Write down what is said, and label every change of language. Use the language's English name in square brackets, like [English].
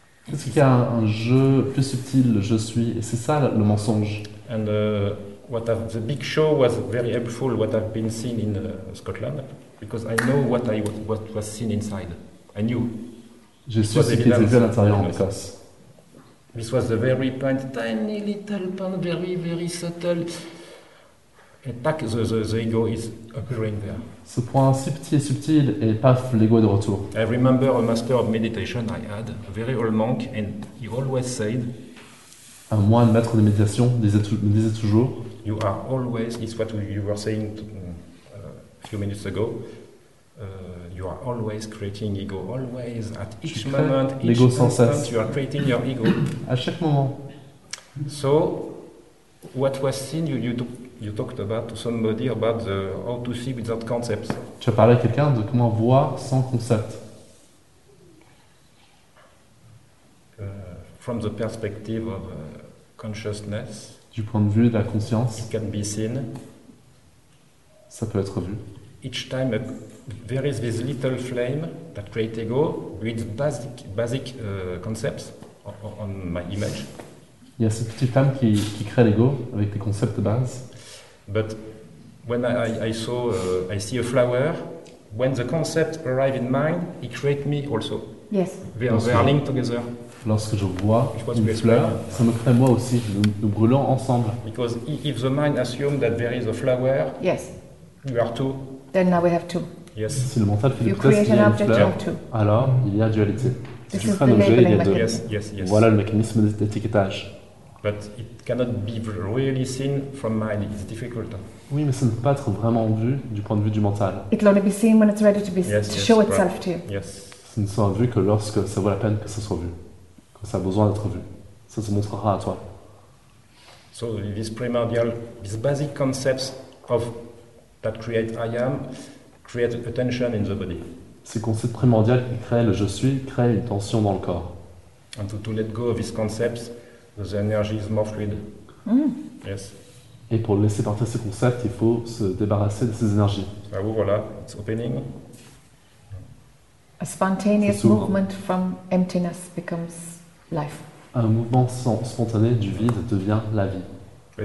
[French] est-ce qu'il y a un jeu plus subtil, le je suis, et c'est ça le mensonge. [English] And the big show was very helpful. What I've been seen in Scotland, because I know what was seen inside. I knew. [French] Je suis ce qui était vu à l'intérieur en Écosse. [English] This was a very tiny little point, very very subtle. And tac, the ego is appearing there. [French] Ce point si petit et subtil, et paf, l'ego est de retour. [English] I remember a master of meditation I had, a very old monk, and he always said. [French] Un moine maître de méditation me disait toujours. [English] You are always, it's what you were saying a few minutes ago. You are always creating ego, always at each moment, [French] l'ego sans cesse. [English] You are creating your ego. [French] À chaque moment. [English] So, What was seen, you talked about to somebody about the, how to see without concepts. [French] Tu as parlé à quelqu'un de comment voir sans concept. [English] From the perspective of consciousness. [French] Du point de vue de la conscience. [English] It can be seen. [French] Ça peut être vu. [English] Each time there is this little flame that creates ego with basic concepts on my image. [French] Il y a cette petite flamme qui crée l'ego avec des concepts de base. [English] But when I see a flower, when the concept arrive in mind, it creates me also. Yes. They are linked together. [French] Lorsque je vois une fleur, ça me crée moi aussi. Nous brûlons ensemble. [English] Because if the mind assumes that there is a flower, yes, we are two. Then now we have two. Yes. [French] Si le mental fait une place, il y a une fleur. Alors il y a dualité. Si tu crées un objet, il y a deux. [English] Yes. [French] Voilà le mécanisme d'étiquetage. [English] But it cannot be really seen from mind. It's difficult. [French] Oui, mais ça ne peut pas être vraiment vu du point de vue du mental. [English] It'll only be seen when it's ready to be to show itself to you. Yes. [French] Ça ne sera vu que lorsque ça vaut la peine que ça soit vu, quand ça a besoin d'être vu. Ça se montrera à toi. [English] So these primordial, these basic concepts of that create I am, create a tension in the body. [French] Ces concepts primordiaux qui créent le je suis créent une tension dans le corps. [English] And to let go of these concepts, the energy is more fluid. Mm. Yes. [French] Et pour laisser partir ces concepts, il faut se débarrasser de ces énergies. [English] Ah, voilà, it's opening. A spontaneous movement from emptiness becomes life. [French] Un mouvement spontané du vide devient la vie.